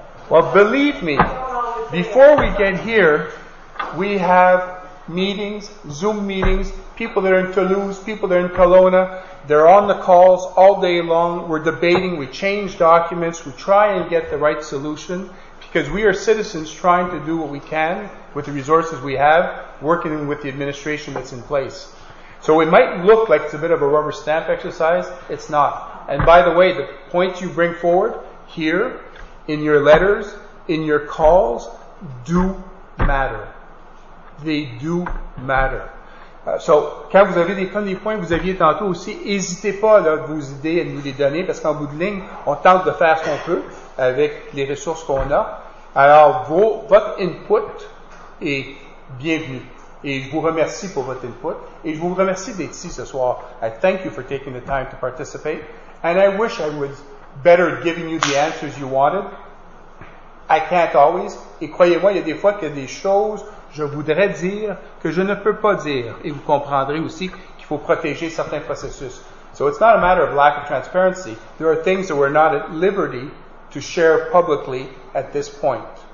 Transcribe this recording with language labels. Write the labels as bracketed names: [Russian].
[English] Well, believe me, before we get here, we have meetings, Zoom meetings, people that are in Toulouse, people that are in Kelowna, they're on the calls all day long, we're debating, we change documents, we try and get the right solution, because we are citizens trying to do what we can with the resources we have, working with the administration that's in place. So it might look like it's a bit of a rubber stamp exercise, it's not. And by the way, the points you bring forward here, in your letters, in your calls, do matter. They do matter. [French] So, quand vous avez des premiers points, vous aviez tantôt aussi, n'hésitez pas là, vos idées à nous les donner, parce qu'en bout de ligne, on tente de faire ce qu'on peut avec les ressources qu'on a. Alors, votre input est bienvenu. Et je vous remercie pour votre input. Et je vous remercie d'être ici ce soir. [English] I thank you for taking the time to participate. And I wish I would better giving you the answers you wanted. I can't always. [French] Et croyez-moi, il y a des fois qu'il y a des choses je voudrais dire que je ne peux pas dire. Et vous comprendrez aussi qu'il faut protéger certains processus. [English] So it's not a matter of lack of transparency. There are things that we're not at liberty to share publicly at this point.